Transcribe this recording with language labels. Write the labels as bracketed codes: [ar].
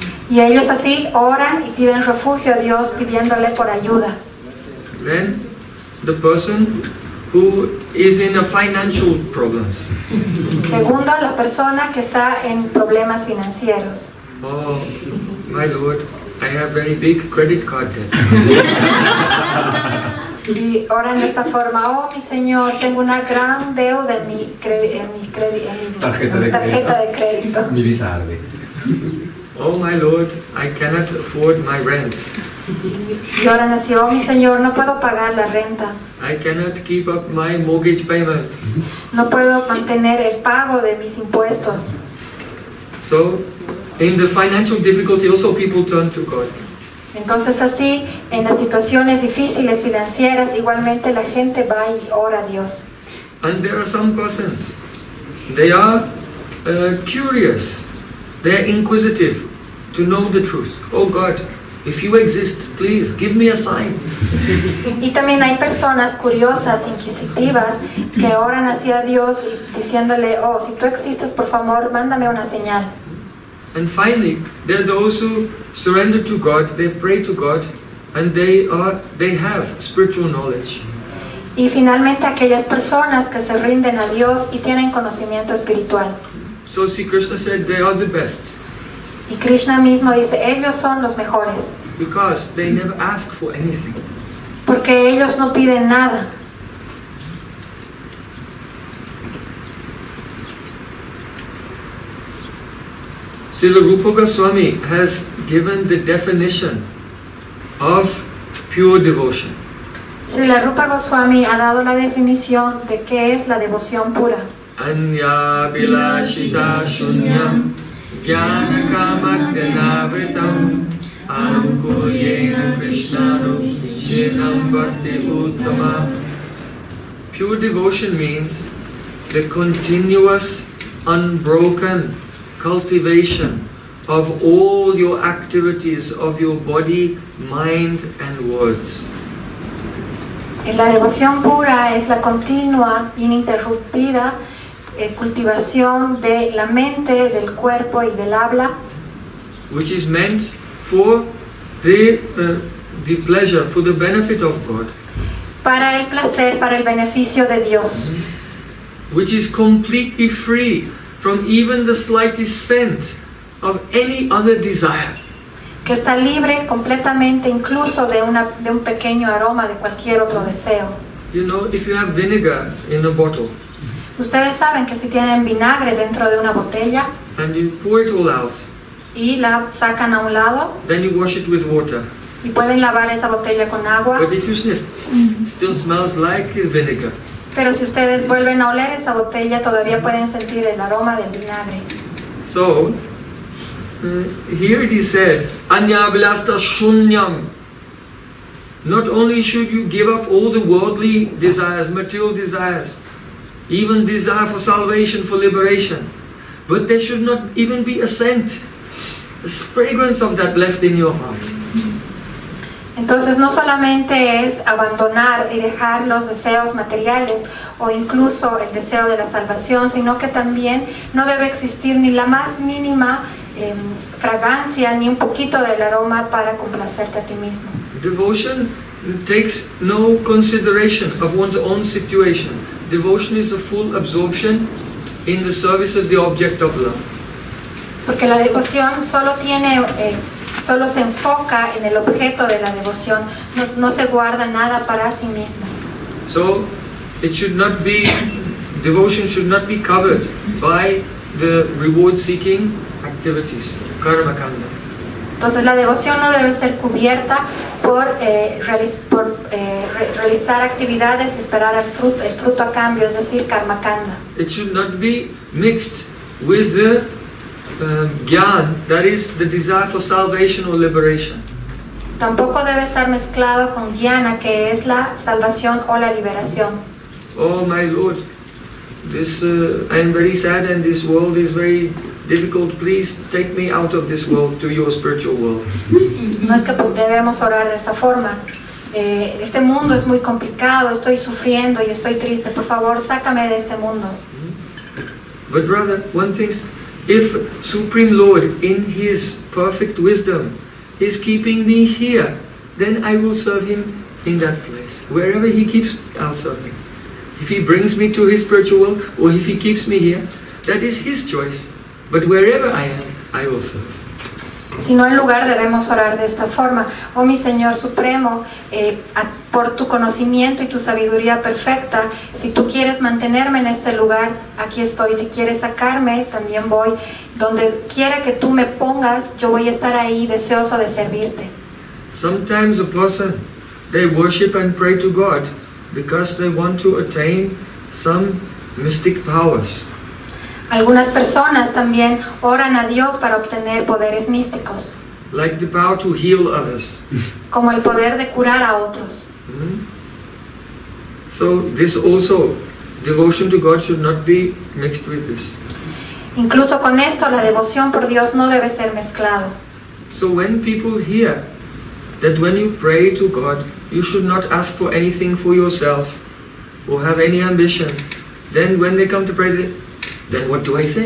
[es] Y ellos así oran y piden refugio a Dios pidiéndole por ayuda. [en] Then the person who is in a financial problems. [es] Segundo, la persona que está en problemas financieros. [en] Oh, my Lord, I have very big credit card debt. [es] Y oran de esta forma, oh mi Señor, tengo una gran deuda en mi tarjeta de crédito. Mi visa arde. [en] Oh my Lord, I cannot afford my rent. [es] Y oran así, oh mi Señor, no puedo pagar la renta. [en] I cannot keep up my mortgage payments. [es] No puedo mantener el pago de mis impuestos. [en] So, in the financial difficulty also people turn to God. [es] Entonces así, en las situaciones difíciles financieras, igualmente la gente va y ora a Dios. [en] And there are some persons, they are curious. They are inquisitive to know the truth. Oh God, if you exist, please give me a sign. [es] Y también hay personas curiosas, inquisitivas, que oran hacia Dios diciéndole, oh, si tú existes, por favor, mándame una señal. [en] And finally, there are those who surrender to God, they pray to God, and they have spiritual knowledge. [es] Y finalmente aquellas personas que se rinden a Dios y tienen conocimiento espiritual. [en] So see, Krishna said they are the best. [es] Y Krishna mismo dice ellos son los mejores. [en] Because they never ask for anything. [es] Porque ellos no piden nada. [en] Srila Rupa Goswami has given the definition of pure devotion. [es] Srila Rupa Goswami ha dado la definición de qué es la devoción pura. [sa] Anya vilashita shunyam jnana kamartena vritam anukuyena krishnanu shinam bhakti uttama. [en] Pure devotion means the continuous, unbroken cultivation of all your activities of your body, mind and words. [es] En la devoción pura es la continua, ininterrumpida cultivación de la mente, del cuerpo y del habla, [en] which is meant for the pleasure, for the benefit of God, [es] para el placer, para el beneficio de Dios, [en] which is completely free from even the slightest scent of any other desire, [es] que está libre completamente incluso de un pequeño aroma de cualquier otro deseo. [en] You know, if you have vinegar in a bottle, [es] ustedes saben que si tienen vinagre dentro de una botella, [en] and you pour it all out, [es] y la sacan a un lado, [en] then you wash it with water, [es] y pueden lavar esa botella con agua. [en] But if you sniff, it still smells like vinegar. [es] Pero si ustedes vuelven a oler esa botella, todavía pueden sentir el aroma del vinagre. [en] So, here it is said, [sa] anya vilasta shunyam. [en] Not only should you give up all the worldly desires, material desires, even desire for salvation, for liberation, but there should not even be a scent, a fragrance of that left in your heart. [es] Entonces no solamente es abandonar y dejar los deseos materiales o incluso el deseo de la salvación, sino que también no debe existir ni la más mínima fragancia ni un poquito del aroma para complacerte a ti mismo. [en] Devotion takes no consideration of one's own situation. Devotion is a full absorption in the service of the object of love. [es] Porque la devoción solo tiene solo se enfoca en el objeto de la devoción, no se guarda nada para sí misma. [en] So it should not be devotion should not be covered by the reward seeking activities, karma kanda. [es] Entonces la devoción no debe ser cubierta por realizar actividades y esperar el fruto a cambio, es decir, karma kanda. [en] It should not be mixed with the gyan, that is the desire for salvation or liberation. [es] Tampoco debe estar mezclado con gyana, que es la salvación o la liberación. [en] Oh my Lord, this I am very sad and this world is very difficult. Please take me out of this world to your spiritual world. [es] No es que debemos orar de esta forma. Este mundo es muy complicado. Estoy sufriendo y estoy triste. Por favor, sácame de este mundo. [en] But rather, one thing: if Supreme Lord, in His perfect wisdom, is keeping me here, then I will serve Him in that place. Wherever He keeps, I'll serve Him. If He brings me to His spiritual world, or if He keeps me here, that is His choice. But wherever I am, I will serve. [es] Si no, en lugar debemos orar de esta forma. Oh, mi Señor Supremo, por tu conocimiento y tu sabiduría perfecta, si tú quieres mantenerme en este lugar, aquí estoy. Si quieres sacarme, también voy. Donde quiera que tú me pongas, yo voy a estar ahí deseoso de servirte. [en] Sometimes a person, they worship and pray to God because they want to attain some mystic powers. [es] Algunas personas también oran a Dios para obtener poderes místicos. [en] Like the power to heal others. [es] Como el poder de curar a otros. [en] So this also, devotion to God should not be mixed with this. [es] Incluso con esto, la devoción por Dios no debe ser mezclado. [en] So when people hear that when you pray to God, you should not ask for anything for yourself or have any ambition, then when they come to pray, then what do I say?